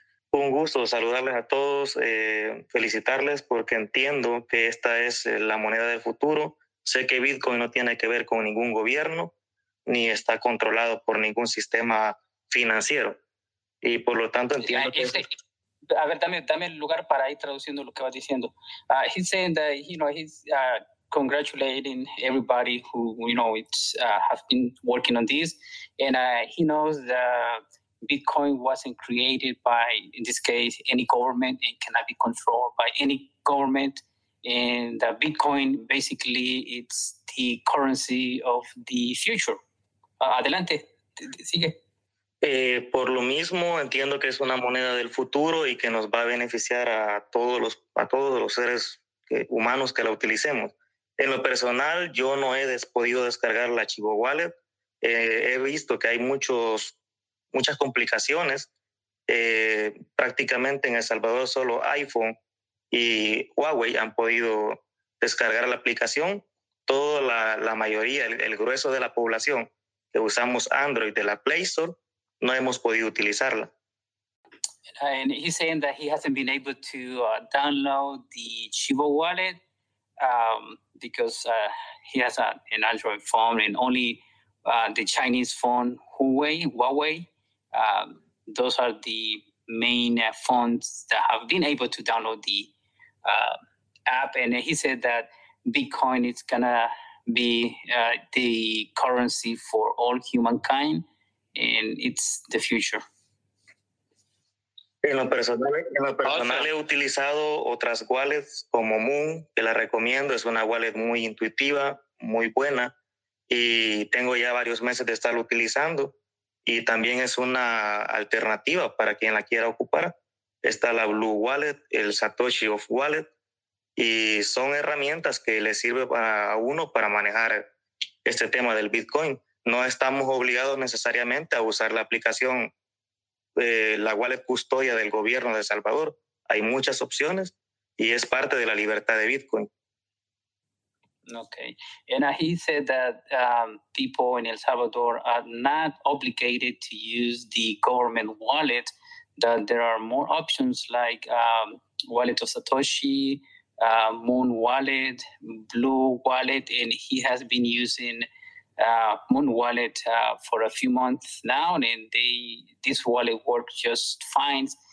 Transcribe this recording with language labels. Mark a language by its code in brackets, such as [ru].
[es] Un gusto saludarles a todos, felicitarles, porque entiendo que esta es la moneda del futuro. Sé que Bitcoin no tiene que ver con ningún gobierno ni está controlado por ningún sistema financiero. Y por lo tanto entiendo A ver, dame el lugar para ir traduciendo lo que vas diciendo. [en] He's saying that, you know, he's congratulating everybody who, you know, it's have been working on this. And he knows that Bitcoin wasn't created by, in this case, any government and cannot be controlled by any government. And Bitcoin, basically, it's the currency of the future. [es] Adelante, sigue. Por lo mismo, entiendo que es una moneda del futuro y que nos va a beneficiar a todos los seres humanos que la utilicemos. En lo personal, yo no he podido descargar la Chivo Wallet. He visto que hay muchas complicaciones. Prácticamente en El Salvador solo iPhone y Huawei han podido descargar la aplicación. Toda la mayoría, el grueso de la población que usamos Android de la Play Store, no hemos podido utilizarla. [en] And he's saying that he hasn't been able to download the Chivo Wallet because he has an Android phone and only the Chinese phone Huawei. Those are the main phones that have been able to download the app. And he said that Bitcoin is going to be the currency for all humankind. And it's the future. [es] En lo personal, he utilizado otras wallets como Moon, que la recomiendo. Es una wallet muy intuitiva, muy buena. Y tengo ya varios meses de estarlo utilizando. Y también es una alternativa para quien la quiera ocupar. Está la Blue Wallet, el Satoshi of Wallet. Y son herramientas que le sirve a uno para manejar este tema del Bitcoin. No estamos obligados necesariamente a usar la aplicación, la wallet custodia del gobierno de El Salvador. Hay muchas opciones y es parte de la libertad de Bitcoin. [en] Okay. And he said that people in El Salvador are not obligated to use the government wallet, that there are more options like Wallet of Satoshi, Moon Wallet, Blue Wallet, and he has been using Moon Wallet for a few months now, and this wallet works just fine.